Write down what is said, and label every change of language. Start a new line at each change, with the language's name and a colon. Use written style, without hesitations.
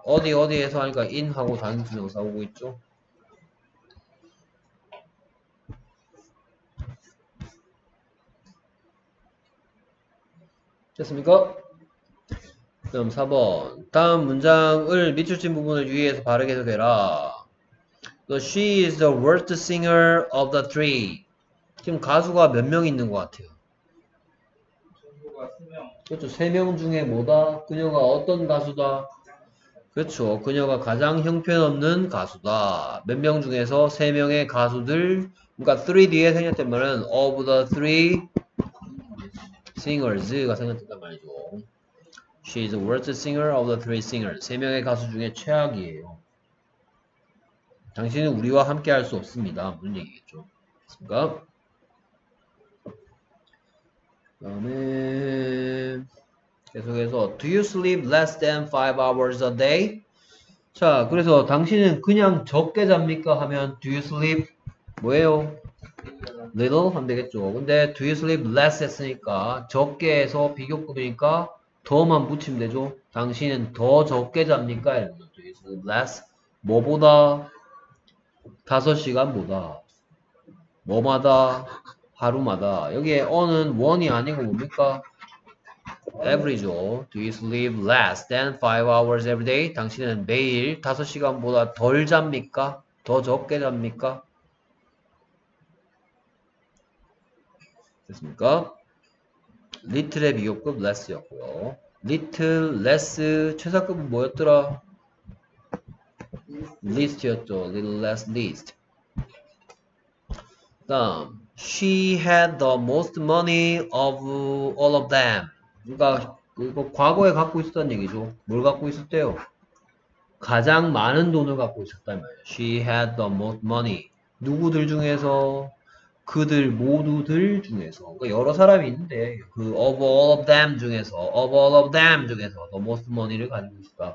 Korean: 어디 어디에서 하니까 in 하고 단수 명사 오고 있죠. 됐습니까? 그럼 4번. 다음 문장을 밑줄 친 부분을 유의해서 바르게 해석해라.
English: So she is the worst singer of the three.
Korean: 지금 가수가 몇명 있는 것 같아요? 그렇죠. 3명 중에 뭐다? 그녀가 어떤 가수다? 그렇죠. 그녀가 가장 형편없는 가수다. 몇명 중에서 3명의 가수들. 그러니까 three 뒤에 생략되면은
English: of the three singers
Korean: 가 생각된단 말이죠.
English: She is the worst singer of the three singers.
Korean: 세 명의 가수 중에 최악이에요. 당신은 우리와 함께 할 수 없습니다. 무슨 얘기겠죠? 됐습니까? 다음에 계속해서
English: Do you sleep less than 5 hours a day?
Korean: 자, 그래서 당신은 그냥 적게 잡니까? 하면
English: Do you sleep?
Korean: 뭐예요? Little? 하면 되겠죠. 근데
English: Do you sleep less
Korean: 했으니까 적게 해서 비교급이니까 더만 붙이면 되죠. 당신은 더 적게 잡니까?
English: Do you sleep less?
Korean: 뭐보다? 5시간보다 뭐마다 하루마다 여기에 on은 one이 아니고 뭡니까?
English: Average죠. Do you sleep less than 5 hours every day?
Korean: 당신은 매일 5시간보다 덜 잡니까? 더 적게 잡니까? 됐습니까? Little의 비교급 less였고요. Little, less, 최상급은 뭐였더라?
English: List였죠. Little less least.
Korean: 다음,
English: she had the most money of all of them.
Korean: 그러니까 이거 과거에 갖고 있었단 얘기죠. 뭘 갖고 있었대요? 가장 많은 돈을 갖고 있었단 말이에요.
English: She had the most money.
Korean: 누구들 중에서? 그들 모두들 중에서. 그러니까 여러 사람이 있는데 그
English: of all of them
Korean: 중에서, of all of them 중에서
English: the most money
Korean: 를 가지고 있었다.